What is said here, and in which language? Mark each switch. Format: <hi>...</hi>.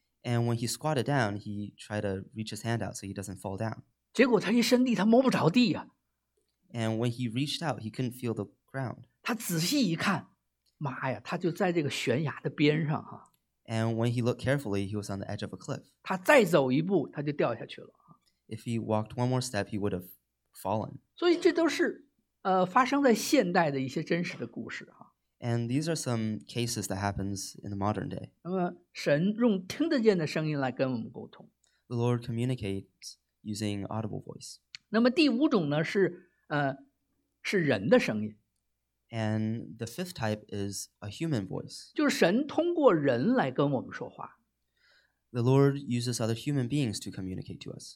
<en>And when he squatted down, he tried to reach his hand out so he doesn't fall down.</en> <zh>结果他一伸地，他摸不着地呀。</zh> <en>And when he reached out, he couldn't feel the ground.</en> <zh>他仔细一看，妈呀，他就在这个悬崖的边上哈。</zh> <en>And when he looked carefully, he was on the edge of a cliff.</en> <zh>他再走一步，他就掉下去了。</zh> <en>If he walked one more step, he would have fallen.</en> <zh>所以这都是发生在现代的一些真实的故事哈。</zh> <en>And these are some cases that happens in the modern day.</en> <zh>那么神用听得见的声音来跟我们沟通。</zh> <en>The Lord communicates using audible voice.</en> <zh>那么第五种呢是人的声音。</zh> <en>And the fifth type is a human voice.</en> <zh>就是神通过人来跟我们说话。</zh> <en>The Lord uses other human beings to communicate to us.</en>